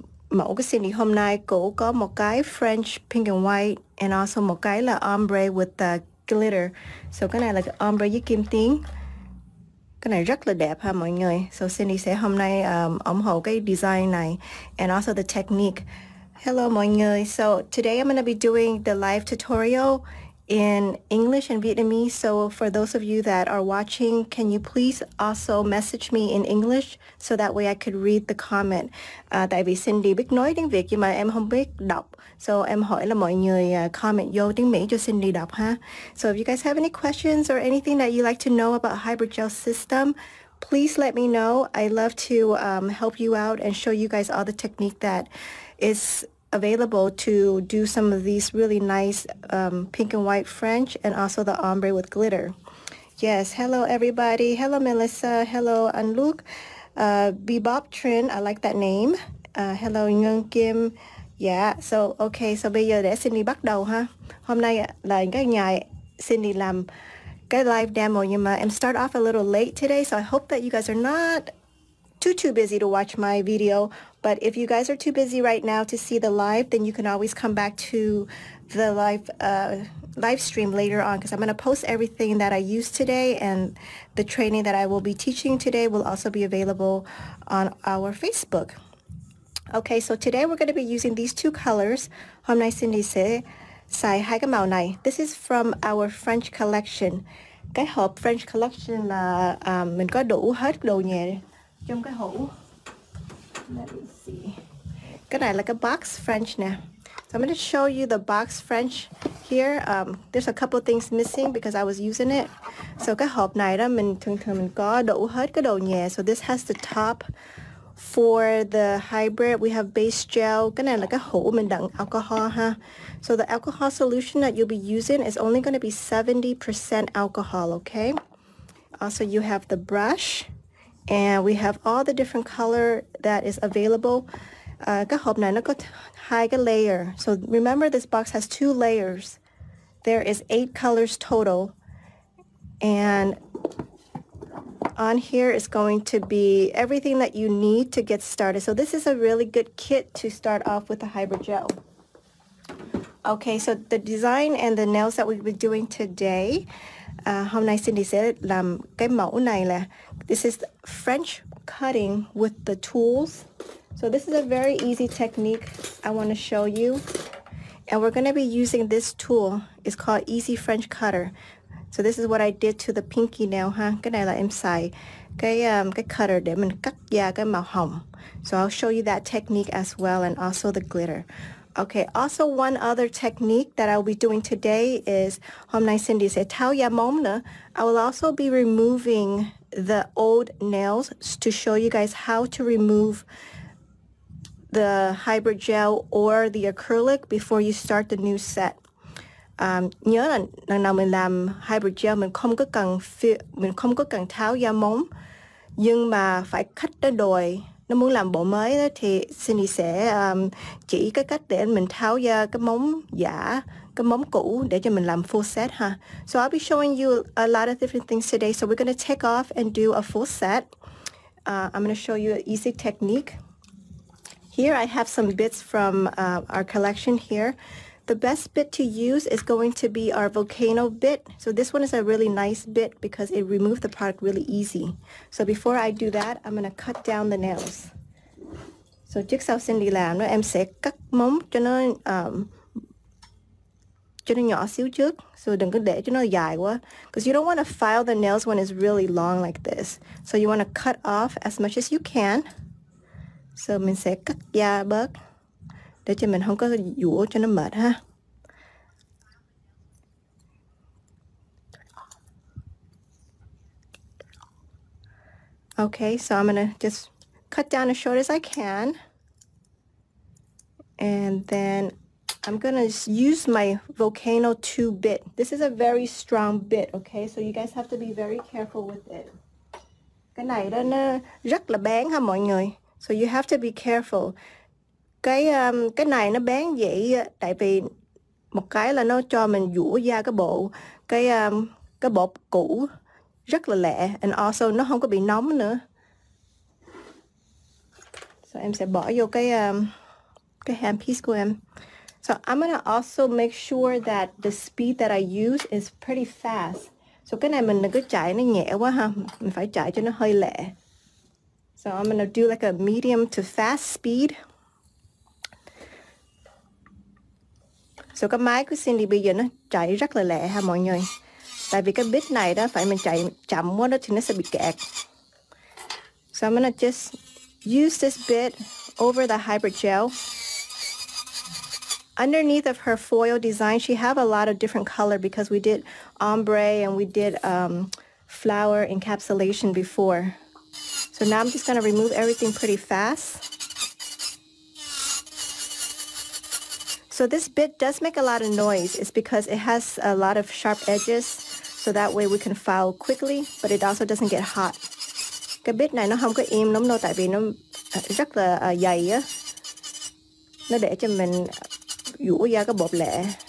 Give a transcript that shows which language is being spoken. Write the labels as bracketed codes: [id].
[vi] Mẫu của Cindy hôm nay cũng có một cái [en] French pink and white and also [vi] một cái là ombre [en] with the glitter. [vi] So cái này là cái ombre với kim tuyến. Cái này rất là đẹp ha mọi người. So Cindy sẽ hôm nay ủng hộ cái design này [en] and also the technique. [vi] Hello mọi người. [en] So today I'm going to be doing the live tutorial in English and Vietnamese. So for those of you that are watching, can you please also message me in English so that way I could read the comment. [vi] Tại vì Cindy biết nói tiếng Việt nhưng mà em không biết đọc. So em hỏi là mọi người comment vô tiếng Mỹ cho Cindy đọc ha. [en] So if you guys have any questions or anything that you like to know about hybrid gel system, please let me know. I love to help you out and show you guys all the technique that is available to do some of these really nice pink and white French and also the ombre with glitter. Yes, hello everybody. Hello Melissa. Hello An Luc. Bebop Trin, I like that name. Hello Nguyen Kim. [vi] Yeah, so okay, so bây giờ để Cindy bắt đầu ha. Hôm nay là cái ngày Cindy làm cái live demo nhưng mà em [en] start off a little late today, so I hope that you guys are not too busy to watch my video. But if you guys are too busy right now to see the live, then you can always come back to the live live stream later on, because I'm going to post everything that I use today, and the training that I will be teaching today will also be available on our Facebook. Okay, so today we're going to be using these two colors. [vi] Hôm nay Cindy sẽ xài hai cái màu này. [en] This is from our French collection. [vi] Cái hộp French collection là mình có đủ hết đồ nhà trong cái hũ. [en] Let me see. [vi] Cái này là cái box French nè. [en] So I'm going to show you the box French here. There's a couple things missing because I was using it. [vi] So cái hộp này đó mình thường thường mình có đủ hết cái đồ nhà. [en] So this has the top for the hybrid. We have base gel. [vi] Cái này là cái hũ mình đựng alcohol ha. [en] So the alcohol solution that you'll be using is only going to be 70% alcohol, okay? Also, you have the brush. And we have all the different color that is available. [vi] Cái hộp này nó có hai cái layer. [en] So remember, this box has two layers. There is 8 colors total. And on here is going to be everything that you need to get started. So this is a really good kit to start off with the hybrid gel. Okay, so the design and the nails that we'll be doing today. [vi] Hôm nay Cindy sẽ làm cái mẫu này là [en] this is French cutting with the tools. So this is a very easy technique I want to show you. And we're going to be using this tool. It's called Easy French Cutter. So this is what I did to the pinky nail, huh? [vi] Cái này là em xài cái cutter để mình cắt da cái màu hồng. [en] So I'll show you that technique as well and also the glitter. Okay, also one other technique that I'll be doing today is [vi] hôm nay Cindy sẽ thao da móng nữa. [en] I will also be removing the old nails to show you guys how to remove the hybrid gel or the acrylic before you start the new set. [vi] Nhớ là lần nào mình làm hybrid gel mình không có cần thao da móng, nhưng mà phải cắt nó đôi. Nó muốn làm bộ mới đó, thì Cindy sẽ chỉ cái cách để mình tháo ra cái móng giả, cái móng cũ để cho mình làm full set ha. [en] So I'll be showing you a lot of different things today. So we're going to take off and do a full set. I'm going to show you an easy technique. Here I have some bits from our collection here. The best bit to use is going to be our volcano bit. So this one is a really nice bit because it removed the product really easy. So before I do that, I'm going to cut down the nails. [vi] So trước sau Cindy làm, em sẽ cắt móng cho nó nhỏ xíu trước. So đừng có để cho nó dài quá. [en] Because you don't want to file the nails when it's really long like this. So you want to cut off as much as you can. [vi] So mình sẽ cắt da bớt. Để cho mình không có dũa cho nó mệt ha. [en] Okay, so I'm gonna just cut down as short as I can. And then I'm gonna use my Volcano 2 bit. This is a very strong bit, okay? So you guys have to be very careful with it. [vi] Cái này đó nó rất là bén ha mọi người. [en] So you have to be careful. [vi] Cái này nó bén dễ tại vì một cái là nó cho mình dũa da cái bộ cũ rất là lẹ, [en] and also [vi] nó không có bị nóng nữa. So em sẽ bỏ vô cái handpiece của em. [en] So I'm gonna also make sure that the speed that I use is pretty fast. [vi] So cái này mình cứ chạy nó nhẹ quá ha, mình phải chạy cho nó hơi lẹ. [en] So I'm gonna do like a medium to fast speed. [vi] So cái máy của Cindy bây giờ nó chạy rất là lẹ ha mọi người. Tại vì cái bit này đó phải mình chạy chậm quá đó thì nó sẽ bị kẹt. [en] So I'm gonna just use this bit over the hybrid gel. Underneath of her foil design, she have a lot of different color because we did ombre and we did flower encapsulation before. So now I'm just gonna remove everything pretty fast. So this bit does make a lot of noise. It's because it has a lot of sharp edges, so that way we can file quickly, but it also doesn't get hot. [vi] Cái bit này nó không có im lắm đâu, tại vì nó rất là dày á. Nó để cho mình dũa da cái bột lẻ.